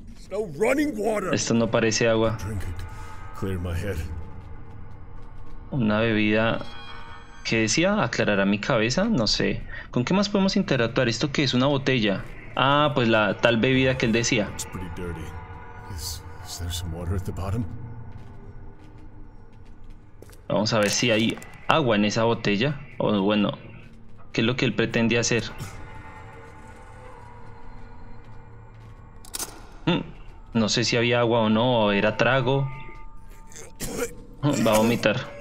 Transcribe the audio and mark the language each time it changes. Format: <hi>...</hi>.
<en>No running water.</en> <es>Esto no parece agua.</es> <en>Clear my head.</en> <es>Una bebida que decía aclarará mi cabeza, no sé. ¿Con qué más podemos interactuar? ¿Esto qué es? Una botella. Ah, pues la tal bebida que él decía.</es> <en>It's pretty dirty. Is there some water at the bottom?</en> <es>Vamos a ver si hay agua en esa botella. O bueno, ¿qué es lo que él pretende hacer? No sé si había agua o no, o era trago. Va a vomitar.</es>